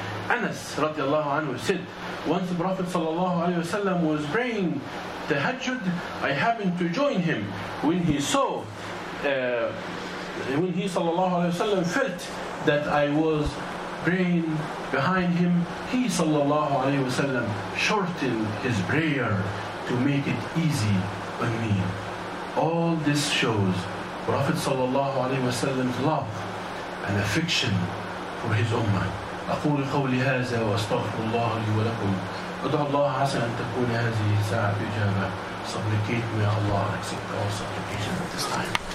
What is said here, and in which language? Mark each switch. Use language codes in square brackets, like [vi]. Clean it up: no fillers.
[en] Anas radiallahu anhu said, once the Prophet sallallahu alayhi wasallam was praying Tahajjud, I happened to join him when he saw, when he sallallahu alayhi wasallam felt that I was praying behind him, he sallallahu alayhi wasallam shortened his prayer to make it easy on me. All this shows Prophet sallallahu alayhi wasallam's love and affection for his ummah. [ar] أقول قولي هذا وأستغفر الله لي ولكم. أدعو الله عسى أن تكون هذه الساعة إجابة. [en] Supplicate me, Allah, accept all supplication at this time.